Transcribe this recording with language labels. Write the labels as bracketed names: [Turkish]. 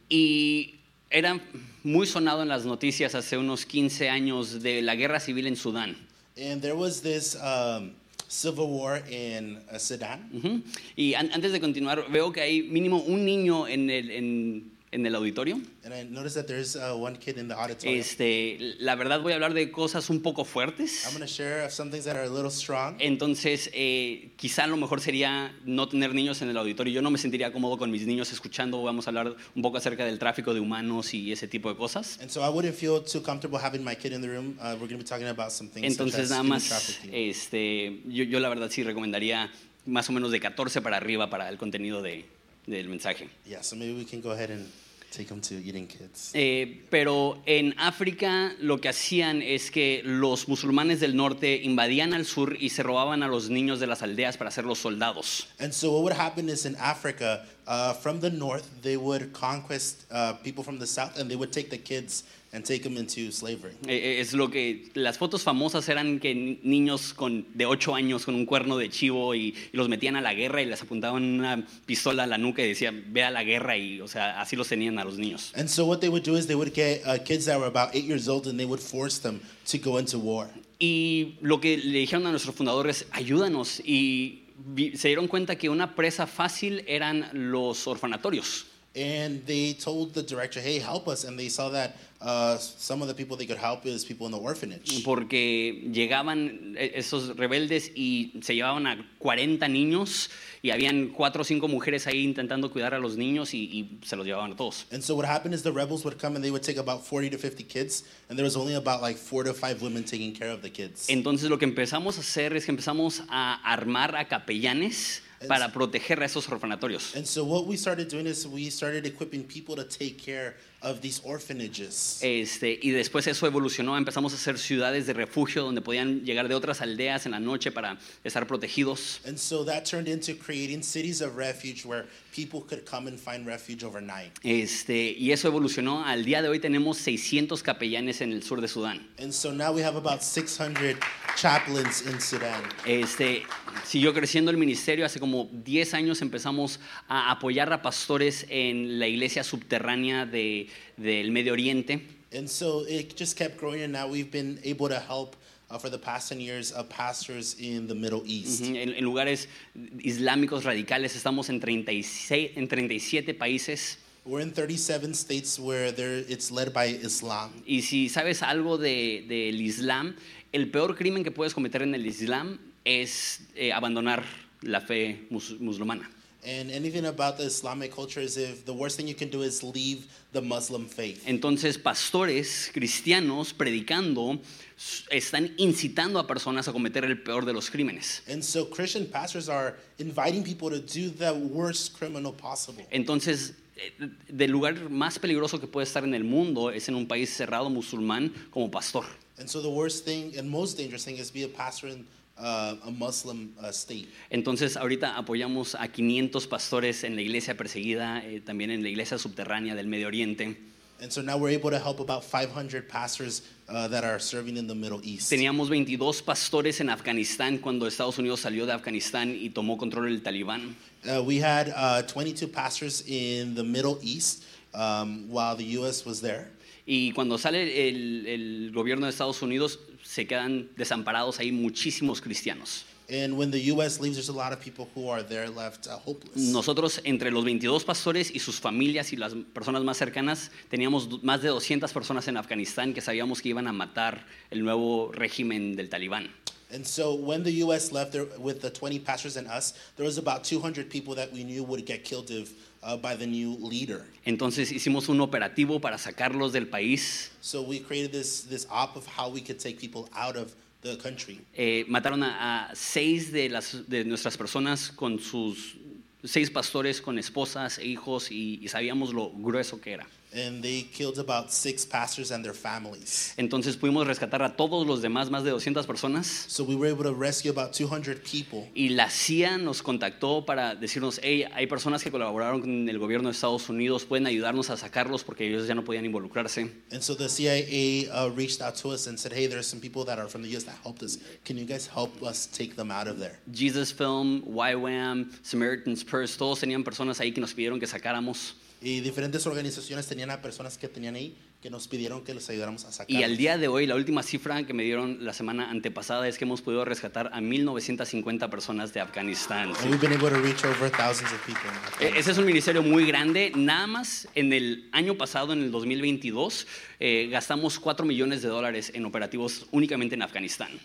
[Spanish] Y era muy sonado en las noticias hace unos 15 años de la guerra civil en Sudán. [English] And there was this civil war in Sudan. Mm-hmm. [Spanish] Y antes de continuar, veo que hay mínimo un niño en el auditorio. [English] And I noticed that there's one kid in the auditorium. [Spanish] La verdad voy a hablar de cosas un poco fuertes. [English] I'm going to share some things that are a little strong. [Spanish] Entonces, quizá lo mejor sería no tener niños en el auditorio. Yo no me sentiría cómodo con mis niños escuchando. Vamos a hablar un poco acerca del tráfico de humanos y ese tipo de cosas. [English] And so I wouldn't feel too comfortable having my kid in the room. We're going to be talking about some things. [Spanish] Entonces, [English] such as [Spanish] nada más, yo la verdad sí recomendaría más o menos de 14 para arriba para el contenido del mensaje. [English] Yeah, so maybe we can go ahead and take them to eating kids. [Spanish] Pero en África lo que hacían es que los musulmanes del norte invadían al sur y se robaban a los niños de las aldeas para hacerlos soldados. [English] And so what would happen is in Africa, from the north, they would conquest people from the south and they would take the kids and take them into slavery. [Spanish] Es lo que las fotos famosas eran que niños con de 8 años con un cuerno de chivo y los metían a la guerra y les apuntaban una pistola a la nuca y decían ve a la guerra y o sea así los tenían a los niños. [English] And so what they would do is they would get kids that were about 8 years old and they would force them to go into war. [Spanish] Y lo que le dijeron a nuestros fundadores ayúdanos y se dieron cuenta que una presa fácil eran los orfanatorios. [English] And they told the director, hey, help us. And they saw that some of the people they could help is people in the orphanage. [Spanish] Porque llegaban esos rebeldes y se llevaban a 40 niños y habían 4 o 5 mujeres ahí intentando cuidar a los niños y se los llevaban a todos. [English] And so what happened is the rebels would come and they would take about 40 to 50 kids and there was only about like 4 to 5 women taking care of the kids. [Spanish] Entonces lo que empezamos a hacer es que empezamos a armar a capellanes para proteger a esos orfanatorios. [English] And so what we started doing is we started equipping people to take care of these orphanages. [Spanish] Y después eso evolucionó, empezamos a hacer ciudades de refugio donde podían llegar de otras aldeas en la noche para estar protegidos. [English] And so that turned into creating cities of refuge where people could come and find refuge overnight. [Spanish] Y eso evolucionó, al día de hoy tenemos 600 capellanes en el sur de Sudán. [English] And so now we have about 600 chaplains in Sudan. [Spanish] Siguió creciendo el ministerio, hace como 10 años empezamos a apoyar a pastores en la iglesia subterránea del Medio Oriente. [English] And so it just kept growing and now we've been able to help for the past 10 years of pastors in the Middle East. [Spanish] Mm-hmm. En lugares islámicos radicales, estamos en 37 países. [English] We're in 37 states where it's led by Islam. [Spanish] Y si sabes algo del Islam, el peor crimen que puedes cometer en el Islam es abandonar la fe musulmana. [English] And anything about the Islamic culture is if the worst thing you can do is leave the Muslim faith. [Spanish] Entonces, pastores cristianos predicando están incitando a personas a cometer el peor de los crímenes. [English] And so Christian pastors are inviting people to do the worst criminal possible. [Spanish] Entonces, del lugar más peligroso que puede estar en el mundo es en un país cerrado musulmán como pastor. [English] And so the worst thing and most dangerous thing is be a pastor in a Muslim state. [Spanish] Entonces ahorita apoyamos a 500 pastores en la iglesia perseguida, también en la iglesia subterránea del Medio Oriente. [English] And so now we're able to help about 500 pastors that are serving in the Middle East. [Spanish] Teníamos 22 pastores en Afganistán cuando Estados Unidos salió de Afganistán y tomó control del Talibán. [English] We had 22 pastors in the Middle East while the U.S. was there. [Spanish] Y cuando sale el gobierno de Estados Unidos, se quedan desamparados ahí muchísimos cristianos. [English] And when the U.S. leaves, there's a lot of people who are there left hopeless. [Spanish] Nosotros, entre los 22 pastores y sus familias y las personas más cercanas, teníamos más de 200 personas en Afganistán que sabíamos que iban a matar el nuevo régimen del Talibán. [English] And so when the U.S. left there with the 20 pastors and us, there was about 200 people that we knew would get killed by the new leader. [Spanish] Entonces hicimos un operativo para sacarlos del país. [English] So we created this op of how we could take people out of the country. [Spanish] Mataron a seis de nuestras personas con sus seis pastores con esposas e hijos y sabíamos lo grueso que era. [English] And they killed about 6 pastors and their families. [Spanish] Entonces pudimos rescatar a todos los demás, más de 200 personas. [English] So we were able to rescue about 200 people. [Spanish] Y la CIA nos contactó para decirnos, hey, hay personas que colaboraron con el gobierno de Estados Unidos, pueden ayudarnos a sacarlos porque ellos ya no podían involucrarse. [English] And so the CIA reached out to us and said, hey, there's some people that are from the U.S. that helped us. Can you guys help us take them out of there? [Spanish] Jesus Film, YWAM, Samaritan's Purse, todos tenían personas ahí que nos pidieron que sacáramos. Y diferentes organizaciones tenían a personas que tenían ahí que nos pidieron que los ayudáramos a sacar. Y al día de hoy, la última cifra que me dieron la semana antepasada es que hemos podido rescatar a 1,950 personas de Afganistán. [English] And we've been able to reach over thousands of people. [Spanish] Ese es un ministerio muy grande. Nada más en el año pasado, en el 2022, gastamos $4 million en operativos únicamente en Afganistán.